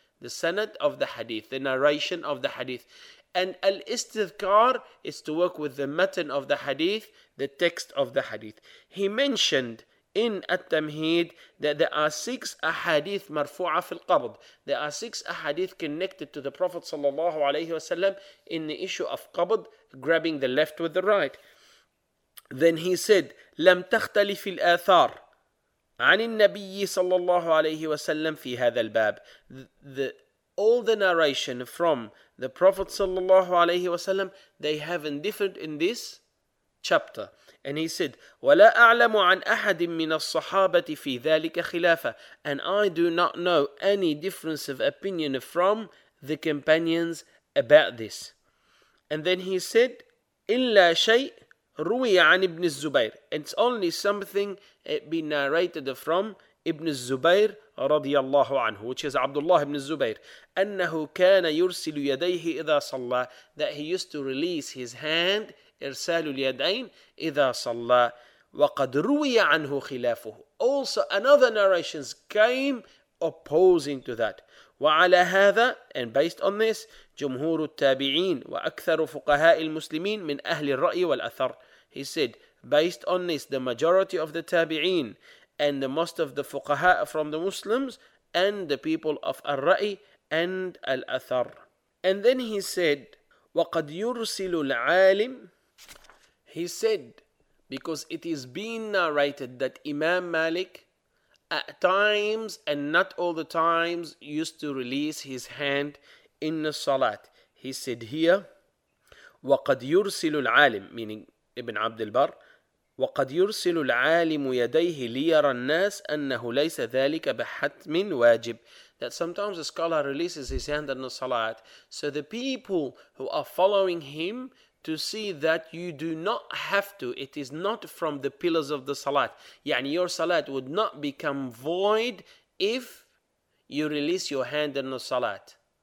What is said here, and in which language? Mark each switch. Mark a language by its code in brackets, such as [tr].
[en] The narration of the hadith. And Al-Istidhkar is to work with the matan of the hadith, the text of the hadith. He mentioned in At-Tamhid that there are six ahadith marfu'a fil qabd. There are six ahadith connected to the Prophet sallallahu alayhi wasallam in the issue of qabd, grabbing the left with the right. [ar] Then he said, لم تختلف الآثار عن النبي صلى الله عليه وسلم في هذا الباب. [en] All the narration from the Prophet [ar] صلى الله عليه وسلم, [en] they haven't differed in this chapter. [ar] And he said, ولا أعلم عن أحد من الصحابة في ذلك خلافة. [en] And I do not know any difference of opinion from the companions about this. [ar] And then he said, إلا شيء روي عن ابن الزبير. [en] It's only something been narrated from ابن الزبير [ar] رضي الله عنه, [en] which is Abdullah ibn Zubair, [ar] أنه كان يرسل يديه إذا صلى, [en] that he used to release his hand, [ar] إرسال اليدين إذا صلى, وقد روي عنه خلافه. [en] Also another narrations came opposing to that. [ar] وعلى هذا, [en] and based on this, [ar] جمهور التابعين وأكثر فقهاء المسلمين من أهل الرأي والأثر. [en] He said, based on this, the majority of the tabi'een and the most of the fuqaha from the Muslims and the people of al-ra'i and al-athar. [ar] And then he said, وَقَدْ يُرْسِلُ الْعَالِمِ. [en] He said, because it is being narrated that Imam Malik at times and not all the times used to release his hand in the salat. He said here, [ar] وَقَدْ يُرْسِلُ الْعَالِمِ, [en] meaning [ar] ابن عبد البر, وقد يرسل العالم يديه ليرى الناس أنه ليس ذلك بحتم واجب. [en] That sometimes a scholar releases his hand in the salat, so the people who are following him to see that you do not have to, it is not from the pillars of the salat. يعني your salat would not become void if you release your hand in the salat.